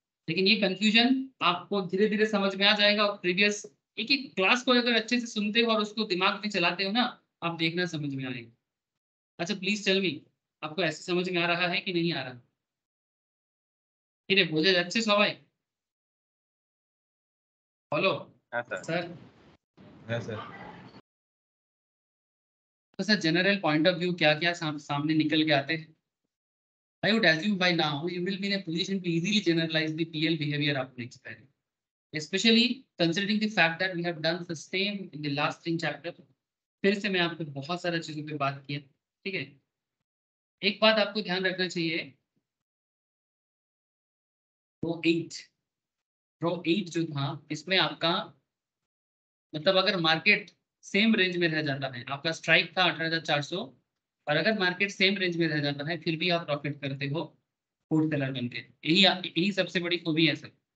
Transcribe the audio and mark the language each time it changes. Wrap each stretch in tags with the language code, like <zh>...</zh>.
<hi>लेकिन ये कंफ्यूजन आपको धीरे धीरे समझ में आ जाएगा, और प्रीवियस एक एक क्लास को अगर अच्छे से सुनते हो और उसको दिमाग में चलाते हो ना, आप देखना समझ में आएगा। अच्छा प्लीज टेल मी, आपको ऐसे समझ में आ रहा है कि नहीं आ रहा, ठीक है, बोले अच्छे सब आए, हेलो सर, तो sir general point of view क्या क्या सामने निकल के आते हैं,</hi> <en>I would assume by now you will be in a position to easily generalize the PL behavior after expiring, especially considering the fact that we have done the same in the last three chapters.</en> <hi>फिर से मैं आपको बहुत सारे चीजों पे बात किया, ठीक है? एक बात आपको ध्यान रखना चाहिए, row 8 जो था, इसमें आपका मतलब अगर market same range में रह जाता है, आपका strike था 18400 और अगर मार्केट सेम रेंज में रह जाता है, फिर भी आप प्रॉफिट करते हो, पुट सेलर बनते हैं, यही सबसे बड़ी खूबी है सर।</hi>